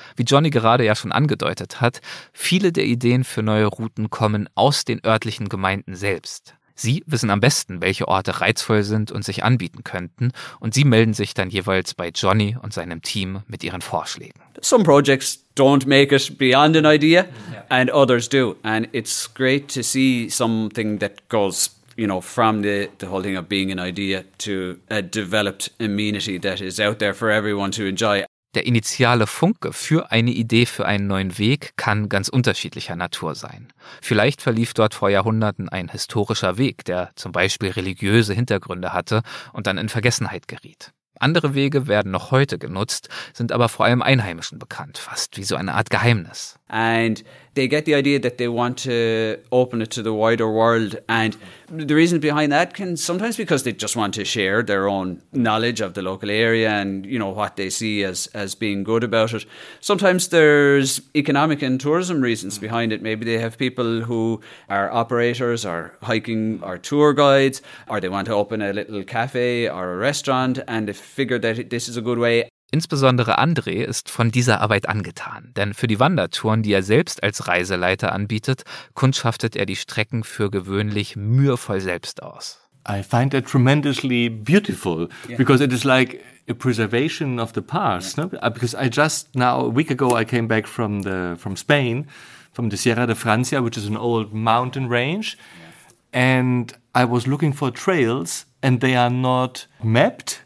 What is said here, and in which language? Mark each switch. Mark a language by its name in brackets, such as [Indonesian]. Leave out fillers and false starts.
[German] Wie Johnny gerade ja schon angedeutet hat, viele der Ideen für neue Routen kommen aus den örtlichen Gemeinden selbst. Sie wissen am besten, welche Orte reizvoll sind und sich anbieten könnten, und sie melden sich dann jeweils bei Johnny und seinem Team mit ihren Vorschlägen. [English] Some projects don't make it beyond an idea, and others do. And it's great to see something that goes, you know, from the whole thing of being an idea to a developed amenity that is out there for everyone to enjoy. [German] Der initiale Funke für eine Idee für einen neuen Weg kann ganz unterschiedlicher Natur sein. Vielleicht verlief dort vor Jahrhunderten ein historischer Weg, der zum Beispiel religiöse Hintergründe hatte und dann in Vergessenheit geriet. Andere Wege werden noch heute genutzt, sind aber vor allem Einheimischen bekannt, fast wie so eine Art Geheimnis. [English] And they get the idea that they want to open it to the wider world. And the reason behind that can sometimes because they just want to share their own knowledge of the local area and, you know, what they see as being good about it. Sometimes there's economic and tourism reasons behind it. Maybe they have people who are operators or hiking or tour guides, or they want to open a little cafe or a restaurant and they figure that this is a good way. [German] Insbesondere André ist von dieser Arbeit angetan, denn für die Wandertouren, die er selbst als Reiseleiter anbietet, kundschaftet er die Strecken für gewöhnlich mühevoll selbst aus. [English] I find that tremendously beautiful, because it is like a preservation of the past. No? Because I just now, a week ago, I came back from Spain, from the Sierra de Francia, which is an old mountain range, and I was looking for trails and they are not mapped,